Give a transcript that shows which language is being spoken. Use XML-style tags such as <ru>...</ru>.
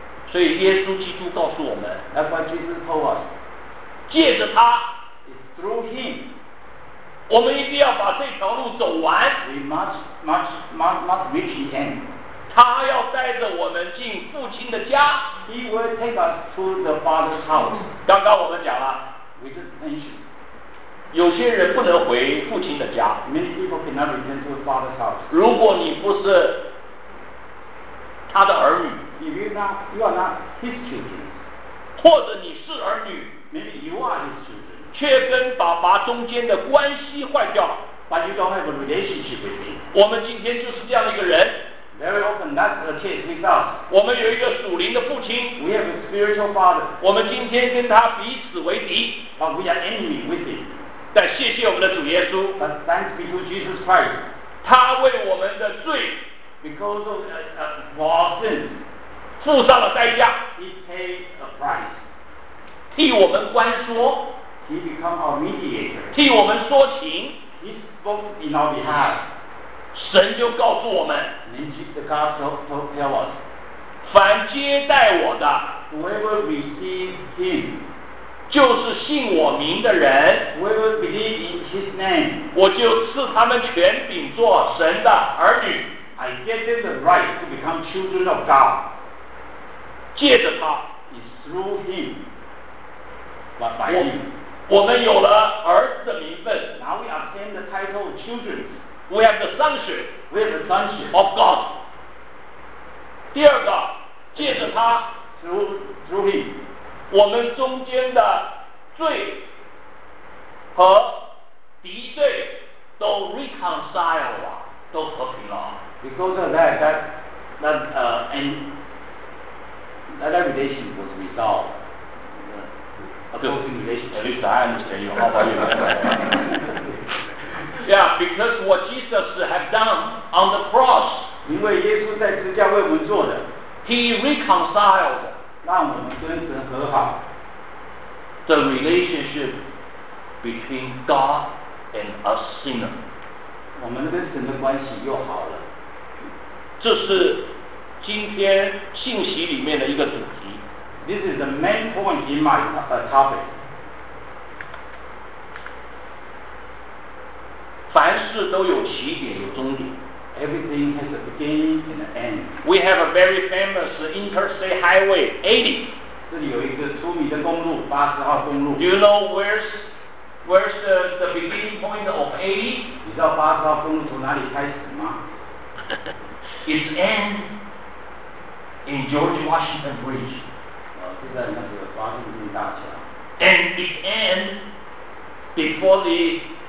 <zh>所以耶稣基督告诉我们</zh> <en>，That's what Jesus told us。</en> <zh>借着他</zh> <en>，It's through him。</en> <zh>我们一定要把这条路走完。</zh> <en>We must reach the end。</en> <zh>他要带着我们进父亲的家。</zh> <en>He will take us to the Father's house。</en> <zh>刚刚我们讲了。</zh> <en>We just mention.</en> <zh>有些人不能回父亲的家。</zh> <en>Many people cannot return to father's house.</en> <zh>如果你不是他的儿女</zh> <en>，If you're not, you are not his children.</en> <zh>或者你是儿女</zh> <en>，Maybe you are his children.</en> <zh>却跟爸爸中间的关系坏掉了</zh> <en>，But you don't have a relationship with him.</en> <zh>我们今天就是这样的一个人。</zh> <en>Very often that's the case with us.</en> <zh>我们有一个属灵的父亲。</zh> <en>We have a spiritual father.</en> <zh>我们今天跟他彼此为敌。</zh> <en>But we are enemy with him.</en> <zh>但谢谢我们的主耶稣。</zh> <en>But thanks be to Jesus Christ.</en> <zh>他为我们的罪</zh> <en>，because of our sin,</en> <zh>付上了代价。</zh> <en>He paid a price.</en> <zh>替我们关说。</zh> <en>He become our mediator.</en> <zh>替我们说情。</zh> <en>He spoke in our behalf.</en> <zh>神就告诉我们，您记得</zh> <en>God told us，</en> <zh>凡接待我的</zh> <en>whoever receives him</en> <zh>就是信我名的人</zh> <en>whoever believes in his name</en> <zh>我就赐他们权柄做神的儿女</zh> <en>I give them the right to become children of God</en> <zh>借着他</zh> <en>It's through him</en> <zh>我们有了儿子的名分</zh> <en>Now we obtain the title of children We have the sonship We have the sonship of God</en> <zh>第二个，借着他</zh> <en>through him，</en> <zh>我们中间的罪和敌对都 reconcile 了，都和平了。</zh> <en>Because of that relation was resolved. A close relation. At least I understand you. How about you? Yeah, because what Jesus have done on the cross.</en> <zh>因为耶稣在十字架为我们做的</zh> <en>He reconciled</en> <zh>让我们跟神和好</zh> <en>The relationship between God and a sinner</en> <zh>我们跟神的关系又好了这是今天信息里面的一个主题</zh> <en>This is the main point in my topic</en> <zh>凡事都有起点有终点</zh> <en>Everything has a beginning and an end. We have a very famous Interstate Highway 80.</en> <zh>这里有一个出名的公路八十号公路</zh> <en>Do you know where's the beginning point of 80?</en> <zh>你知道八十号公路从哪里开始吗</zh> <en>It's end in George Washington Bridge.</en> <zh>就在那个华盛顿大桥</zh> <en>And it end before the.</en>